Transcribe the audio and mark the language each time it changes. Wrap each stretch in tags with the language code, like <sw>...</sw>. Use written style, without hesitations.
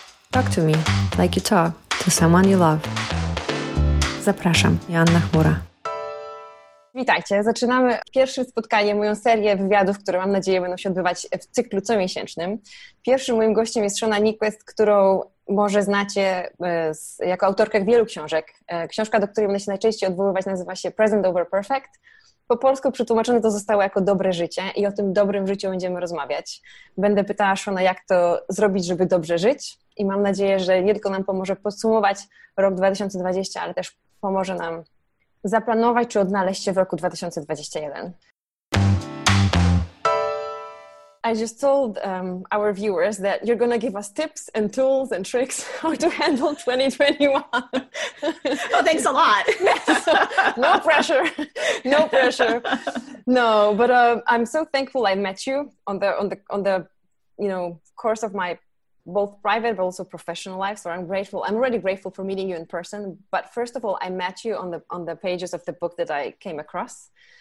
<en>Talk to me like you talk to someone you love.</en> <pl>Zapraszam, Joanna Chmura. Witajcie, zaczynamy pierwsze spotkanie, moją serię wywiadów, które mam nadzieję będą się odbywać w cyklu comiesięcznym. Pierwszym moim gościem jest Shauna Niequist, którą może znacie jako autorkę wielu książek. Książka, do której będę się najczęściej odwoływać, nazywa się Present Over Perfect. Po polsku przetłumaczone to zostało jako dobre życie i o tym dobrym życiu będziemy rozmawiać. Będę pytała Shauna, jak to zrobić, żeby dobrze żyć i mam nadzieję, że nie tylko nam pomoże podsumować rok 2020, ale też pomoże nam zaplanować czy odnaleźć się w roku 2021.</pl> <en>I just told our viewers that you're going to give us tips and tools and tricks how to handle 2021. Oh, thanks a lot. No pressure. No pressure. No, but I'm so thankful I met you on the you know, course of my both private but also professional life. So I'm grateful. I'm already grateful for meeting you in person. But first of all, I met you on the pages of the book that I came across.</en>